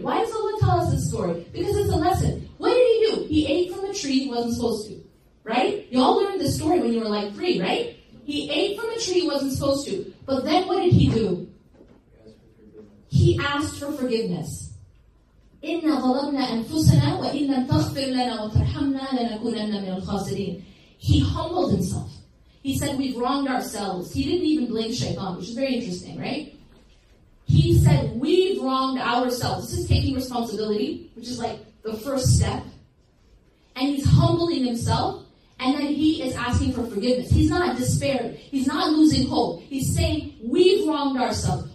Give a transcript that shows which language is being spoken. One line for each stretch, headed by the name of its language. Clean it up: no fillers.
English: Why does Allah tell us this story? Because it's a lesson. What did he do? He ate from a tree he wasn't supposed to. Right? You all learned this story when you were like three, right? He ate from a tree he wasn't supposed to. But then what did he do? He asked for forgiveness.
Arabic: إِنَّا ظَلَمْنَا أَنفُسَنَا وَإِنَّا تَغْفِرْ لَنَا وَتَرْحَمْنَا لَنَكُونَنَّ مِنَ الْخَاسِرِينَ
English: He humbled himself. He said, we've wronged ourselves. He didn't even blame Shaitan, which is very interesting, right? He said, we've wronged ourselves. This is taking responsibility, which is like the first step. And he's humbling himself, and then he is asking for forgiveness. He's not despairing. He's not losing hope. He's saying, we've wronged ourselves.